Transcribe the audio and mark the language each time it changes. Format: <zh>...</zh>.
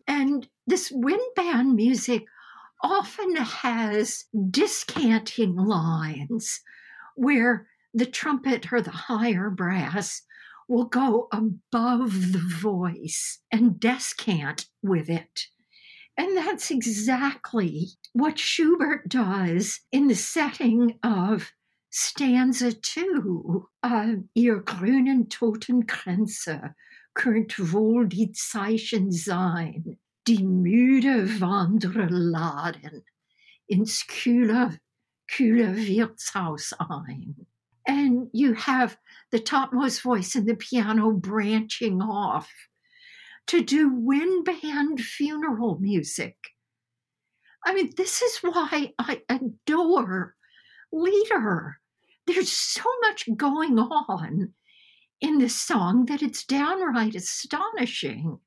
<en>And this wind band music often has discanting lines where the trumpet or the higher brass will go above the voice and descant with it. And that's exactly what Schubert does in the setting of stanza two,</en> <de>Ihr grünen Totenkränze könnt wohl die Zeichen sein, die müde Wanderer laden ins kühle Wirtshaus ein.</de> <en>And you have the topmost voice in the piano branching off to do wind band funeral music. I mean, this is why I adore Lieder. There's so much going on in this song that it's downright astonishing.</en>